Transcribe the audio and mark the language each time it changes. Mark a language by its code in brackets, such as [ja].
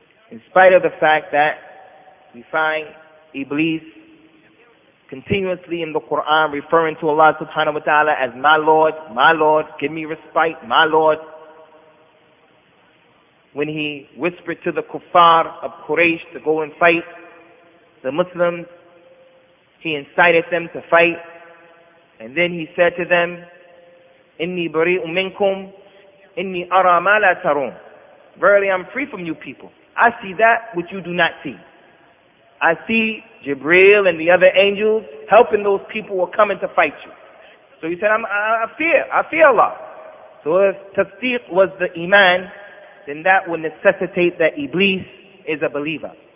[en] in spite of the fact that we find Iblis continuously in the Quran referring to Allah subhanahu wa ta'ala as my Lord, give me respite, my Lord. When he whispered to the kuffar of Quraysh to go and fight the Muslims, he incited them to fight. [ar] And then he said to them, إِنِّي بَرِيءٌ مِنْكُمْ إِنِّي أَرَى مَا لَا تَرُونَ. [en] Verily, I'm free from you people. I see that which you do not see. I see Jibreel and the other angels helping those people who are coming to fight you. So he said, I fear Allah. So if tasdeeq was the iman, then that would necessitate that Iblis is a believer.